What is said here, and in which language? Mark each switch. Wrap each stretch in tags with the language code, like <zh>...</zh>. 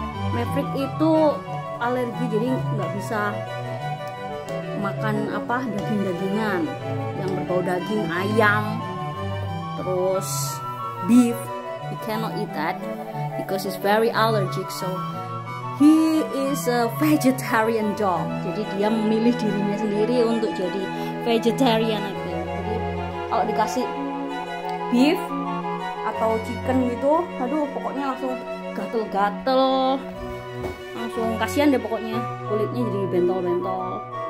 <id>Maverick itu alergi, jadi nggak bisa makan apa daging-dagingan yang berbau. atau daging ayam, terus</id> <en>beef, he cannot eat that because he's very allergic. So he is a vegetarian dog.</en> <id>Jadi dia memilih dirinya sendiri untuk jadi vegetarian gitu. Jadi kalau dikasih beef atau chicken gitu, aduh pokoknya langsung gatel-gatel. Langsung kasihan deh pokoknya, kulitnya jadi bentol-bentol.</id>